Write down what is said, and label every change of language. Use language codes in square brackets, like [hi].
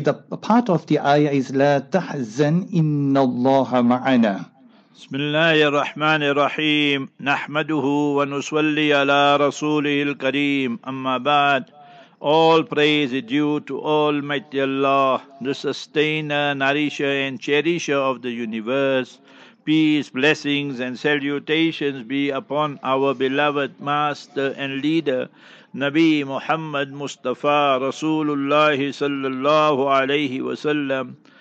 [en] The part of the ayah is [ar] لا تحزن إن الله معنا. بسم الله الرحمن الرحيم نحمده ونصلي على رسوله الكريم أما بعد. [en] All praise is due to Almighty Allah, the sustainer, nourisher, and cherisher of the universe. Peace, blessings, and salutations be upon our beloved master and leader, Nabi Muhammad Mustafa Rasulullah sallallahu alayhi wa sallam.